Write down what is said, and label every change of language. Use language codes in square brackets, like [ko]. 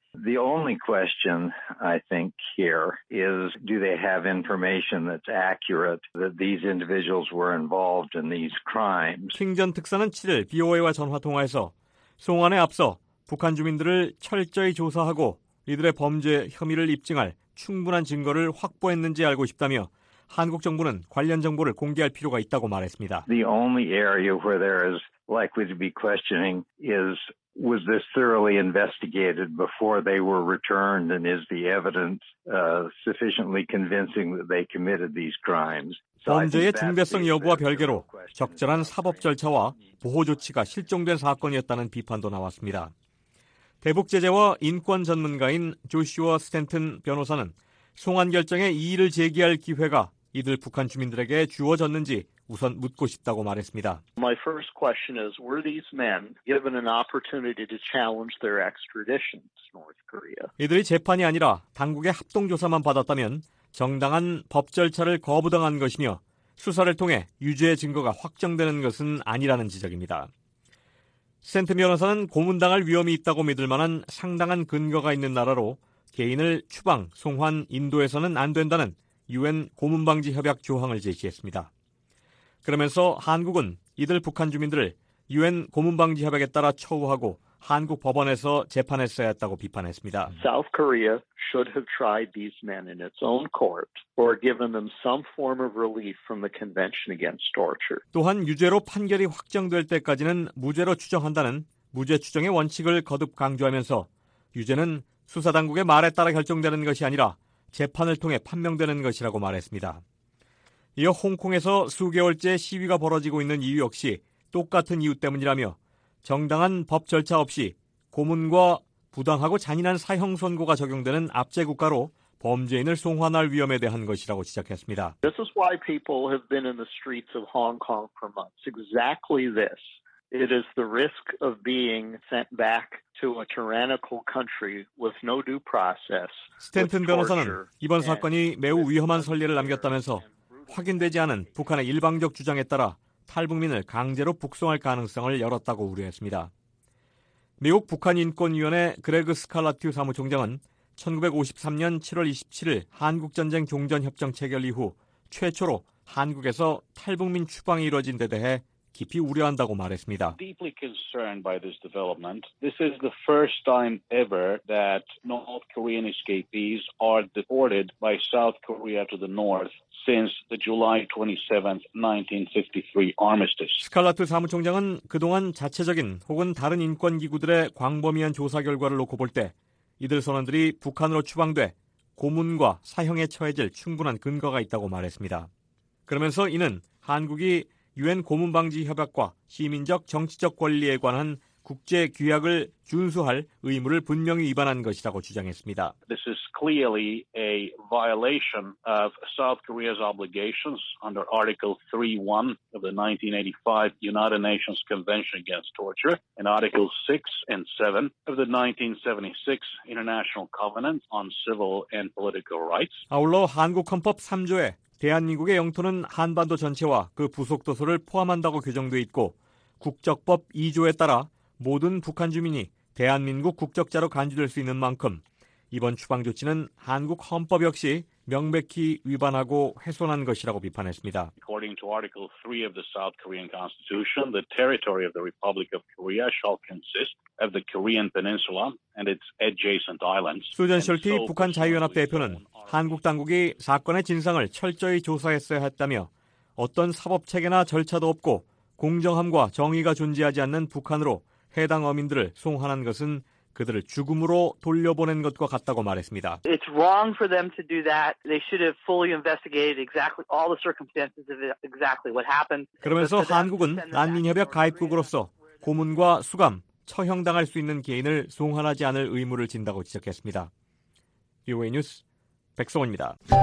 [en] The only question I think here is do they have information that's accurate that these individuals were involved in these crimes? [ko] 킹 전 특사는 7일 BOA와 전화 통화에서 송환에 앞서 북한 주민들을 철저히 조사하고 이들의 범죄 혐의를 입증할 충분한 증거를 확보했는지 알고 싶다며 한국 정부는 관련 정보를 공개할 필요가 있다고 말했습니다. [en] The only area where there is likely to be questioning is was this thoroughly investigated before they were returned and is the evidence sufficiently convincing that they committed these crimes? [ko] 범죄의 중대성 여부와 별개로 적절한 사법 절차와 보호 조치가 실종된 사건이었다는 비판도 나왔습니다. 대북 제재와 인권 전문가인 조슈아 스탠튼 변호사는 송환 결정에 이의를 제기할 기회가 이들 북한 주민들에게 주어졌는지 우선 묻고 싶다고 말했습니다. [en] My first question is, were these men given an opportunity to challenge their extradition to North Korea? [ko] 이들이 재판이 아니라 당국의 합동 조사만 받았다면 정당한 법 절차를 거부당한 것이며 수사를 통해 유죄 증거가 확정되는 것은 아니라는 지적입니다. 센트 변호사는 고문당할 위험이 있다고 믿을 만한 상당한 근거가 있는 나라로 개인을 추방, 송환, 인도에서는 안 된다는 UN 고문방지 협약 조항을 제시했습니다. 그러면서 한국은 이들 북한 주민들을 UN 고문방지 협약에 따라 처우하고 한국 법원에서 재판했어야 했다고 비판했습니다. [en] South Korea should have tried these men in its own court or given them some form of relief from the Convention Against Torture. [ko] 또한 유죄로 판결이 확정될 때까지는 무죄로 추정한다는 무죄 추정의 원칙을 거듭 강조하면서 유죄는 수사 당국의 말에 따라 결정되는 것이 아니라 재판을 통해 판명되는 것이라고 말했습니다. 이어 홍콩에서 수개월째 시위가 벌어지고 있는 이유 역시 똑같은 이유 때문이라며 정당한 법 절차 없이 고문과 부당하고 잔인한 사형 선고가 적용되는 압제 국가로 범죄인을 송환할 위험에 대한 것이라고 지적했습니다. [en] This is why people have been in the streets of Hong Kong for months. Exactly this. It is the risk of being sent back to a tyrannical country with no due process. [ko] 스탠튼 변호사는 이번 사건이 매우 위험한 선례를 남겼다면서 확인되지 않은 북한의 일방적 주장에 따라 탈북민을 강제로 북송할 가능성을 열었다고 우려했습니다. 미국 북한인권위원회 그레그 스칼라티우 사무총장은 1953년 7월 27일 한국전쟁 종전협정 체결 이후 최초로 한국에서 탈북민 추방이 이루어진 데 대해 깊이 우려한다고 말했습니다. [en] Deeply concerned by this development. This is the first time ever that North Korean escapees are deported by South Korea to the north since the July 27, 1953 armistice. [ko] 스칼라트 사무총장은 그동안 자체적인 혹은 다른 인권 기구들의 광범위한 조사 결과를 놓고 볼 때 이들 선원들이 북한으로 추방돼 고문과 사형에 처해질 충분한 근거가 있다고 말했습니다. 그러면서 이는 한국이 UN 고문방지 협약과 시민적 정치적 권리에 관한 국제 규약을 준수할 의무를 분명히 위반한 것이라고 주장했습니다. [en] This is clearly a violation of South Korea's obligations under Article 3.1 of the 1985 United Nations Convention Against Torture and Article 6 and 7 of the 1976 International Covenant on Civil and Political Rights. [ko] 아울러 한국 헌법 3조에 대한민국의 영토는 한반도 전체와 그 부속도서를 포함한다고 규정돼 있고 국적법 2조에 따라 모든 북한 주민이 대한민국 국적자로 간주될 수 있는 만큼 이번 추방 조치는 한국 헌법 역시 명백히 위반하고 훼손한 것이라고 비판했습니다. [en] According to Article 3 of the South Korean Constitution, the territory of the Republic of Korea shall consist of the Korean Peninsula and its adjacent islands. [ko] 수전 셜티 북한 자유연합 대표는 한국 당국이 사건의 진상을 철저히 조사했어야 했다며 어떤 사법 체계나 절차도 없고 공정함과 정의가 존재하지 않는 북한으로 해당 어민들을 송환한 것은 그들을 죽음으로 돌려보낸 것과 같다고 말했습니다. [en] It's wrong for them to do that. They should have fully investigated exactly all the circumstances of exactly what happened. [ko] 그러면서 한국은 난민협약 가입국으로서 고문과 수감, 처형당할 수 있는 개인을 송환하지 않을 의무를 진다고 지적했습니다. VOA 뉴스 백성원입니다.